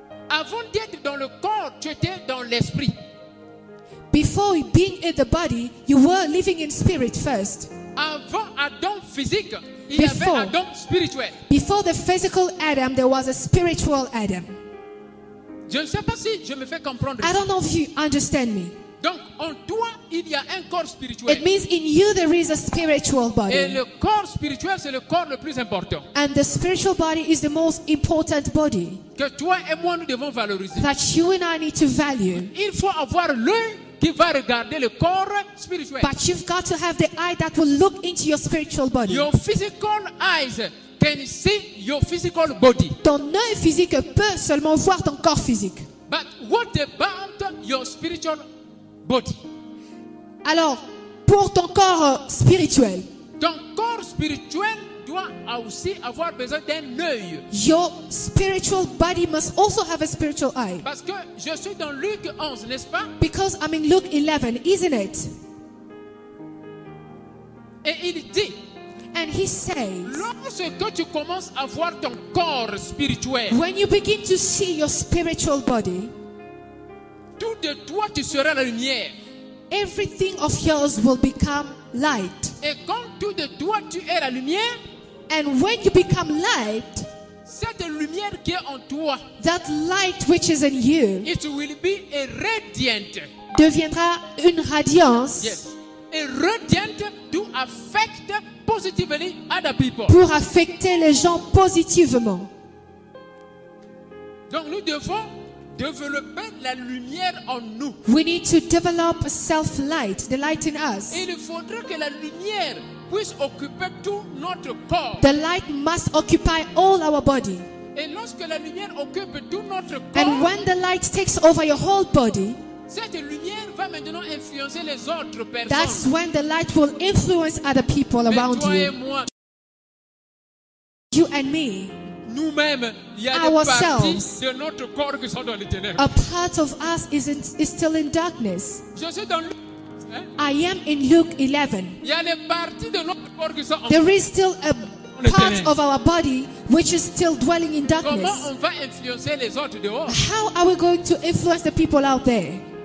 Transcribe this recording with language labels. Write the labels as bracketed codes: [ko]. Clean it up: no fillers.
[fr] Avant d'être dans le corps, tu étais dans l'esprit. [en] Before being in the body, you were living in spirit first. [fr] Avant Adam physique, il before, avait Adam spirituel. [en] Before the physical Adam, there was a spiritual Adam. [fr] Je ne sais pas si je me fais comprendre. [en] I don't know if you understand me. [fr] Donc, en toi, il y a un corps spirituel. [en] It means in you there is a spiritual body. [fr] Et le corps spirituel, c'est le corps le plus important. [en] And the spiritual body is the most important body. [fr] Que toi et moi, nous devons valoriser. [en] That you and I need to value. [fr] Il faut avoir l'œil qui va regarder le corps spirituel. [en] But you've got to have the eye that will look into your spiritual body. Your physical eyes can see your physical body. [fr] Ton œil physique peut seulement voir ton corps physique. [en] But what about your spiritual body? [fr] Alors, pour ton corps spirituel. Ton corps spirituel doit aussi avoir besoin d'un œil. [en] Your spiritual body must also have a spiritual eye. [fr] Parce que je suis dans Luc 11, n'est-ce pas? [en] Because I'm in Luke 11, isn't it? [fr] Et il dit, [en] and he says, [fr] lorsque tu commences à voir ton corps spirituel, [en] when you begin to see your spiritual body, [fr] tout de toi tu seras la lumière. [en] Everything of yours will become light. [fr] Et quand tout de toi tu es la lumière, [en] and when you become light, [fr] cette lumière qui est en toi, [en] that light which is in you, it will be a radiant, [fr] deviendra une radiance, [en] yes, a radiant to affect positively other people, [fr] pour affecter les gens positivement. Donc nous devons développer la lumière en nous. [en] We need to develop self-light, the light in us. [fr] Et il faudrait que la lumière puisse occuper tout notre corps. [en] The light must occupy all our body. [fr] Et lorsque la lumière occupe tout notre corps, [en] and when the light takes over your whole body, [fr] cette lumière va maintenant influencer les autres personnes. [en] That's when the light will influence other people around [fr] toi [en] you. [fr] Et moi. [en] You and me. [fr] Nous-mêmes, il y a [en] ourselves, [fr] des parties de notre corps qui sont dans les ténèbres. [en] A part of us is still in darkness. [fr] Je suis dans le... [en] I am in Luke 11. [fr] Il y a des parties de notre corps qui sont en... [en] There is still a part of our body which is still dwelling in darkness. [fr] Comment on va influencer les autres dehors? [en] How are we going to influence the people out there?